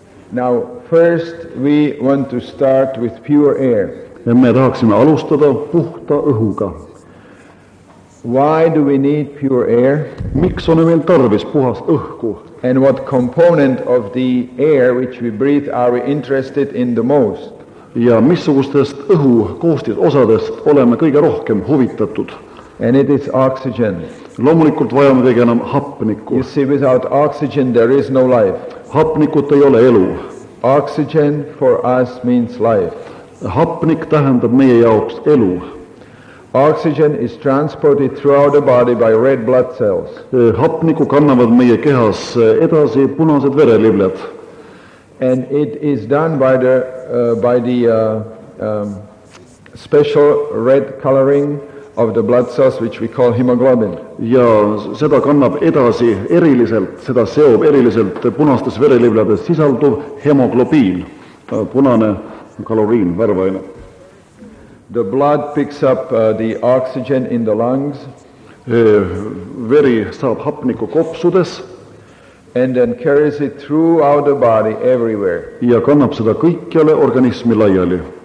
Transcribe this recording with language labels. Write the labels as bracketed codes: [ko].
[en] Now, first we want to start with pure air. [et] Ja me tahaksime alustada puhta õhuga. [en] Why do we need pure air? [et] Miks on meil tarvis puhast õhku? [en] And what component of the air which we breathe are we interested in the most? [et] Ja missugustest õhu koostis osadest oleme kõige rohkem huvitatud? [en] And it is oxygen. [et] Loomulikult vajame kõige enam hapnikku. [en] You see, without oxygen there is no life. [et] Hapnikut ei ole elu. [en] Oxygen for us means life. [et] Hapnik tähendab meie jaoks elu. [en] Oxygen is transported throughout the body by red blood cells. [et] Hapniku kannavad meie kehas edasi punased vereliblad. [en] And it is done by the special red coloring of the blood cells, which we call hemoglobin. [et] Ja seda kannab edasi eriliselt, seda seob eriliselt punastes verelibladest sisalduv hemoglobiin, punane kaloriin, värvaine. [en] The blood picks up the oxygen in the lungs. [et] Veri saab hapniku kopsudes. [en] And then carries it throughout the body everywhere. [et] Ja kannab seda kõikjale organismi laiali.